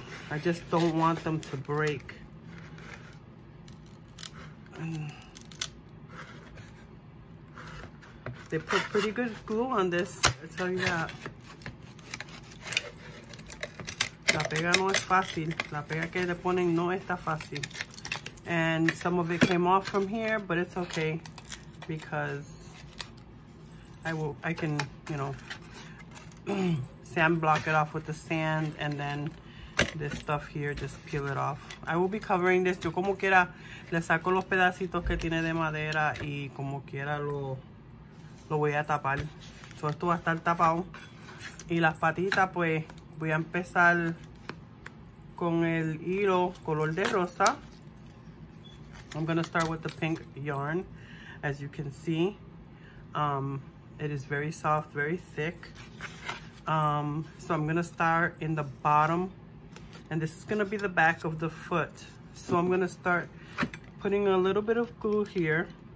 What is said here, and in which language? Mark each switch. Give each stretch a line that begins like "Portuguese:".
English: I just don't want them to break. They put pretty good glue on this, I tell you that.
Spanish: La pega no es fácil. La pega que le ponen no está fácil.
English: And some of it came off from here, but it's okay because I can, you know, sand block it off with the sand, and then this stuff here, just peel it off. I will be covering this.
Spanish: Yo como quiera le saco los pedacitos que tiene de madera y como quiera lo voy a tapar. So esto va a estar tapado. Y las patitas, pues voy a empezar con el hilo color de rosa.
English: I'm gonna start with the pink yarn. As you can see, it is very soft, very thick. So I'm gonna start in the bottom. And this is gonna be the back of the foot. So I'm gonna start putting a little bit of glue here.